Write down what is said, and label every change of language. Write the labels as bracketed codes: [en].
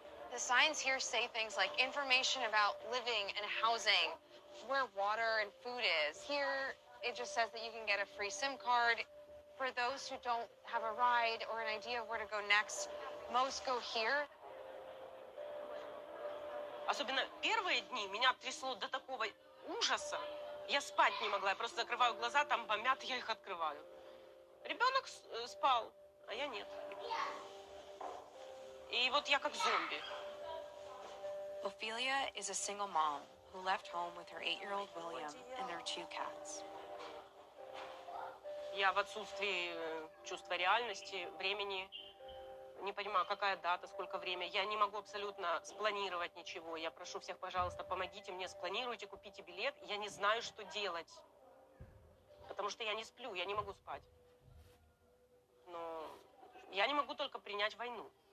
[en] The signs here say things like information about living and housing, where water and food is. Here, it just says that you can get a free SIM card. For those who don't have a ride or an idea of where to go next, most go here. [ru] Особенно первые дни меня трясло до такого ужаса. Я спать не могла. Я просто закрываю глаза, там бомят, я их открываю. Ребенок спал, а я нет. И вот я как зомби. [en] Ophelia is a single mom who left home with her 8-year-old William and their 2 cats. [ru] Я в отсутствии чувства реальности, времени. Не понимаю, какая дата, сколько времени. Я не могу абсолютно спланировать ничего. Я прошу всех, пожалуйста, помогите мне, спланируйте, купите билет. Я не знаю, что делать. Потому что я не сплю, я не могу спать. Но я не могу только принять войну.